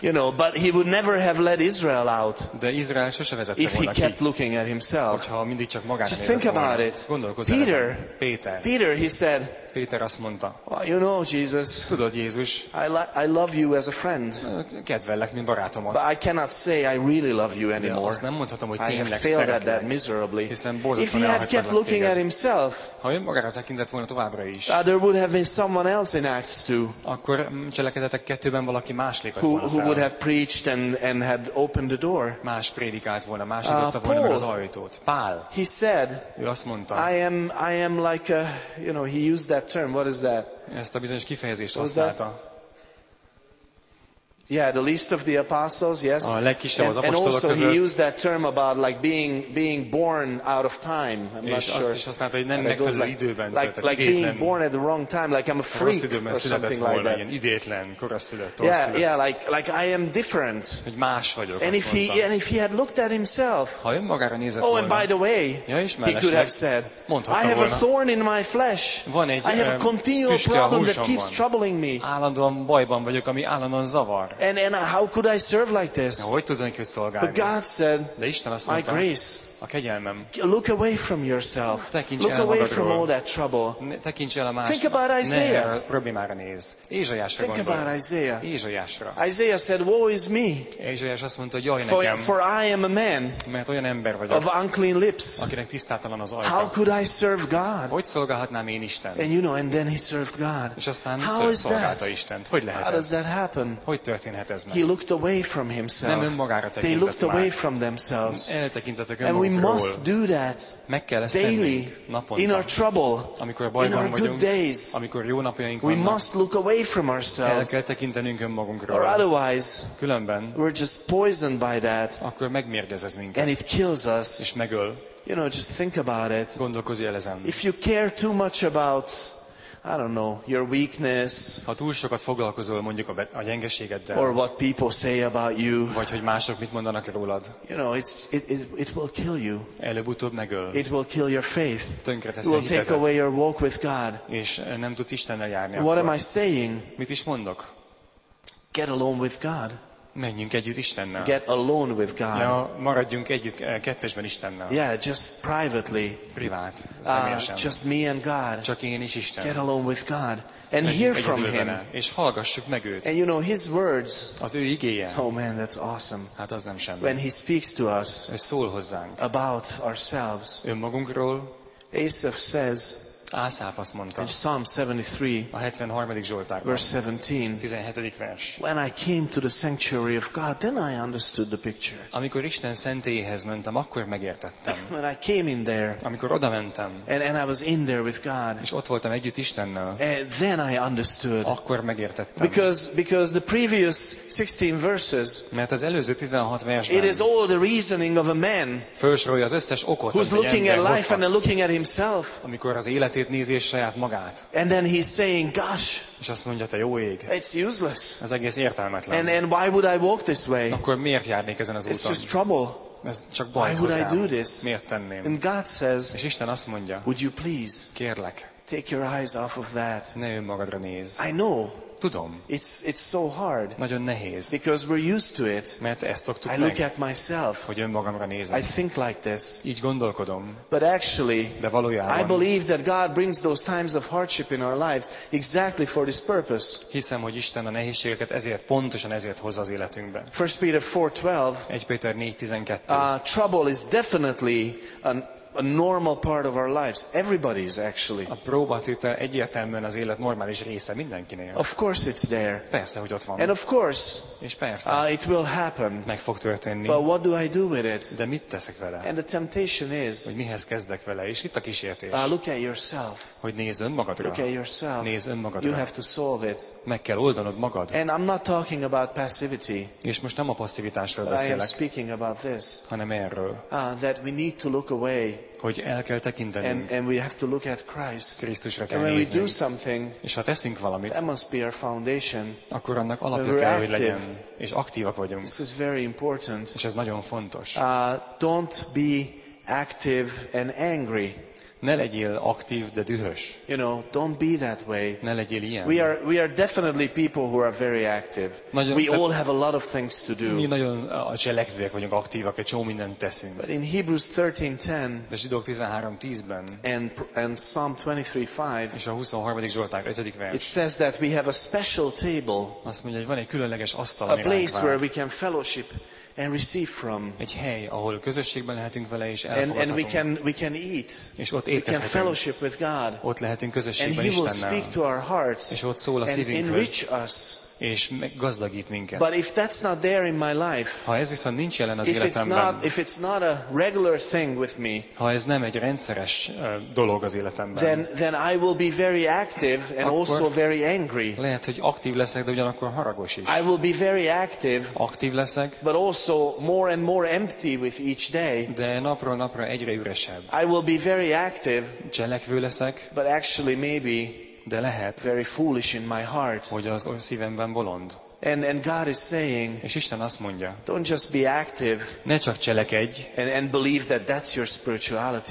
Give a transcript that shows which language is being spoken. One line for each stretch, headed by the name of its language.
English: You know, but he would never have let Israel out.
Hungarian: De Izrael sose vezette volna ki.
English: If he kept looking at himself.
Hungarian: Hogyha mindig csak magát nézett.
English: Just think about it. Peter. Peter, he said.
Hungarian: Péter azt mondta.
English: Well, you know, Jesus.
Hungarian: Tudod, Jézus.
English: I love you as a friend.
Hungarian: Kedvellek, mint barátomat.
English: But I cannot say I really love you anymore.
Hungarian: Nem mondhatom, hogy tényleg szeretlek.
English: I failed at that miserably.
Hungarian: Hiszen borzasztóan elhagytad.
English: If he had kept looking at himself.
Hungarian: Ha ő magára tekintett volna továbbra is.
English: There would have been someone else in Acts 2.
Hungarian: Akkor Cselekedetek 2-ben valaki más lépett volna fel.
English: Who would have preached and had opened the door?
Hungarian: Más prédikált volna, más nyitotta volna meg az ajtót. Pál.
English: He said.
Hungarian: Ő azt mondta.
English: I am like a, you know, he used that term. What is that?
Hungarian: Ezt a bizonyos kifejezést használta.
English: Yeah, the least of the apostles, yes.
Hungarian: A legkisebb az apostolok között.
English: And also he used that term about like being born out of time. I'm
Hungarian: és
English: not sure.
Hungarian: Azt is használta, hogy nem megfelelő időben született.
English: Like being born at the wrong time, like I'm a freak or something like that.
Hungarian: Ilyen idétlen, koraszülött, torszülött.
English: Yeah, like I am different.
Hungarian: Hogy más vagyok,
English: and if
Hungarian: mondta.
English: he had looked at himself.
Hungarian: Ha önmagára nézett volna.
English: Oh, and by the way,
Hungarian: ja,
English: he could have said, I have
Hungarian: volna.
English: A thorn in my flesh.
Hungarian: Van egy,
English: I have a continual problem that keeps troubling me.
Hungarian: Állandóan bajban vagyok, ami állandóan zavar.
English: And how could I serve like this?
Hungarian: Hogy tudnék ezt szolgálni?
English: But God said,
Hungarian: de Isten azt mondta,
English: my grace,
Hungarian: a kegyelmem.
English: Look away from yourself.
Hungarian: Tekints
English: look away from all that trouble.
Hungarian: Tekints el a más.
English: Think about Isaiah.
Hungarian: Ne problémára néz. Ézsaiásra gondol.
English: Think about Isaiah.
Hungarian: Ézsaiásra.
English: Isaiah said, woe is me.
Hungarian: Ézsaiás azt mondta, jaj nekem.
English: For I am a man.
Hungarian: Mert olyan ember vagyok.
English: Of unclean lips.
Hungarian: Akinek tisztátalan az ajka.
English: How could I serve God?
Hungarian: Hogy szolgálhatnám én Istent?
English: And you know, and then he served God.
Hungarian: És aztán szolgálta Istent. Hogy lehet ez?
English: How does that happen?
Hungarian: Hogy történhet ez meg?
English: He looked away from himself.
Hungarian: Nem önmagára tekintett.
English: They looked away from themselves.
Hungarian: Eltekintettek önmagukra.
English: We must do that daily, in our trouble, in our good days. We must look away from ourselves, or otherwise, we're just poisoned by that, and it kills us. You know, just think about it. If you care too much about, I don't know, your weakness.
Hungarian: Ha túl sokat foglalkozol mondjuk a gyengeségeddel.
English: Or what people say about you.
Hungarian: Vagy hogy mások mit mondanak rólad.
English: You know, it will kill you.
Hungarian: Előbb-utóbb megöl.
English: It will kill your faith.
Hungarian: Tönkreteszi a hitedet.
English: Will take away your walk with God.
Hungarian: És nem tudsz Istennel járni.
English: What am I saying?
Hungarian: Mit is mondok?
English: Get alone with God.
Hungarian: Menjünk együtt Istennel.
English: Get alone with God.
Hungarian: Ja, maradjunk együtt kettesben Istennel.
English: Yeah, just privately.
Hungarian: Privát, személyesen.
English: Just me and God.
Hungarian: Csak én és Isten.
English: Get alone with God. And hear from him.
Hungarian: És hallgassuk meg őt.
English: And you know his words.
Hungarian: Az ő igéje.
English: Oh man, that's awesome.
Hungarian: Hát az nem semmi.
English: When he speaks to us.
Hungarian: Ő szól hozzánk.
English: About ourselves.
Hungarian: Önmagunkról.
English: Asaph says.
Hungarian: Ászáf azt mondta.
English: In Psalm 73,
Hungarian: a 73. Zsoltárban,
English: verse 17,
Hungarian: 17. vers.
English: When I came to the sanctuary of God, then I understood the picture.
Hungarian: Amikor Isten szentélyéhez mentem, akkor megértettem.
English: When I came in there,
Hungarian: amikor oda mentem,
English: and I was in there with God,
Hungarian: és ott voltam együtt Istennel,
English: then I understood.
Hungarian: Akkor megértettem.
English: Because the previous 16 verses,
Hungarian: mert az előző 16 versben,
English: it is all the reasoning of a man,
Hungarian: felsorolja az összes okot,
English: who's looking at life and then looking at himself.
Hungarian: Amikor az élet nézi és saját magát.
English: And then he's saying, gosh,
Hungarian: és azt mondja, te jó ég.
English: It's useless.
Hungarian: Ez egész értelmetlen.
English: And why would I walk this way?
Hungarian: Akkor miért járnék ezen az úton?
English: It's just trouble.
Hungarian: Ez csak bajt hozzám.
English: Why would I do this?
Hungarian: Miért tenném?
English: And God says,
Hungarian: és Isten azt mondja,
English: would you please,
Hungarian: kérlek,
English: take your eyes off of that.
Hungarian: Ne önmagadra néz.
English: I know.
Hungarian: Tudom.
English: It's so hard.
Hungarian: Nagyon nehéz.
English: Because we're used to it.
Hungarian: Mert ezt szoktuk meg.
English: I look at myself.
Hungarian: Hogy önmagamra nézek.
English: I think like this.
Hungarian: Így gondolkodom.
English: But actually,
Hungarian: de valójában,
English: I believe that God brings those times of hardship in our lives exactly for this purpose.
Hungarian: Hiszem, hogy Isten a nehézségeket ezért, pontosan ezért hozza az életünkbe.
English: 1 Peter 4:12.
Hungarian: Egy Péter 4:12.
English: Trouble is definitely an a normal part of our lives. Everybody's actually.
Hungarian: A próbatétel egyértelműen az élet normális része mindenkinél.
English: Of course it's there.
Hungarian: Persze, hogy ott van.
English: And of course,
Hungarian: és persze,
English: it will happen.
Hungarian: Meg fog történni.
English: But what do I do with it?
Hungarian: De mit teszek vele?
English: And the temptation is,
Hungarian: hogy mihez kezdek vele, és itt a kísértés.
English: Look at yourself.
Hungarian: Hogy nézz önmagadra.
English: Look at yourself.
Hungarian: Nézz önmagadra.
English: You have to solve it.
Hungarian: Meg kell oldanod magad.
English: And I'm not talking about passivity.
Hungarian: És most nem a passzivitásról beszélek.
English: I am speaking about this.
Hungarian: Hanem erről.
English: That we need to look away.
Hungarian: Hogy el kell tekintenünk.
English: And we have to look at Christ.
Hungarian: Krisztusra kell
English: and
Hungarian: néznünk.
English: When we do something,
Hungarian: és ha teszünk valamit,
English: that must be our foundation.
Hungarian: Akkor annak alapja kell, hogy legyen. És aktívak vagyunk.
English: This is very important.
Hungarian: És ez nagyon fontos.
English: Don't be active and angry.
Hungarian: Ne legyél aktív, de dühös.
English: You know, don't be that way.
Hungarian: Ne legyél ilyen.
English: We are definitely people who are very active.
Hungarian: Nagyon,
English: we all have a lot of things to do.
Hungarian: Mi nagyon cselekvőek vagyunk, aktívak, egy csomó mindent teszünk.
English: But in Hebrews 13:10,
Hungarian: de Zsidók 13:10-ben,
English: and Psalm 23:5,
Hungarian: és a 23. Zsoltár 5. vers,
English: it says that we have a special table.
Hungarian: Azt mondja, hogy van egy különleges asztal,
English: a place where we can fellowship and receive from.
Hungarian: Egy hely, ahol közösségben lehetünk vele, és elfogadhatunk.
English: And we can eat.
Hungarian: És ott étkezhetünk.
English: We can fellowship with God.
Hungarian: Ott lehetünk közösségben Istennel.
English: And He will speak to our hearts.
Hungarian: És ott szól a szívünkhöz.
English: And enrich us.
Hungarian: És gazdagít minket.
English: But if that's not there in my life,
Hungarian: ha ez viszont nincs jelen az életemben,
English: if it's not a regular thing with me,
Hungarian: ha ez nem egy rendszeres dolog az életemben,
English: then I will be very active and also very angry.
Hungarian: Lehet, hogy aktív leszek, de ugyanakkor haragos is.
English: I will be very active,
Hungarian: aktív leszek,
English: but also more and more empty with each day.
Hungarian: De napról napra egyre üresebb.
English: I will be very active,
Hungarian: cselekvő leszek,
English: but actually maybe,
Hungarian: de lehet,
English: very foolish in my heart.
Hungarian: Hogy az ön szívemben bolond.
English: And God is saying,
Hungarian: és Isten azt mondja,
English: don't just be active,
Hungarian: ne csak cselekedj,
English: and believe that that's your spirituality.